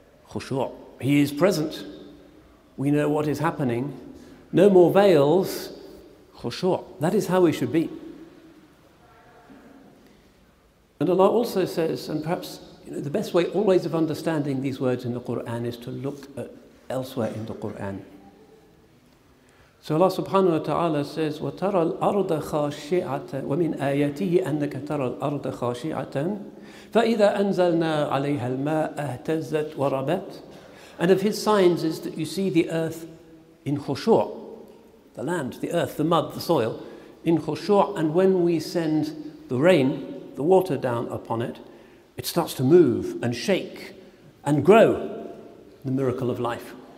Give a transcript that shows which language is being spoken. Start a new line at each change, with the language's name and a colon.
English: Khushu', He is present. We know what is happening. No more veils. Khushu', that is how we should be. And Allah also says, and perhaps the best way always of understanding these words in the Quran is to look at elsewhere in the Quran. So Allah subhanahu wa ta'ala says,
Arabic: وَتَرَى الْأَرْضَ خَاشِعَةً وَمِنْ آيَتِهِ أَنَّكَ تَرَى الْأَرْضَ خَاشِعَةً فَإِذَا أَنزَلْنَا عَلَيْهَا الْمَاءَ اهْتَزَّتْ وَرَبَتْ.
English: And of His signs is that you see the earth in khushu', the land, the earth, the mud, the soil, in khushu', and when we send the rain, the water down upon it, it starts to move and shake and grow, the miracle of life.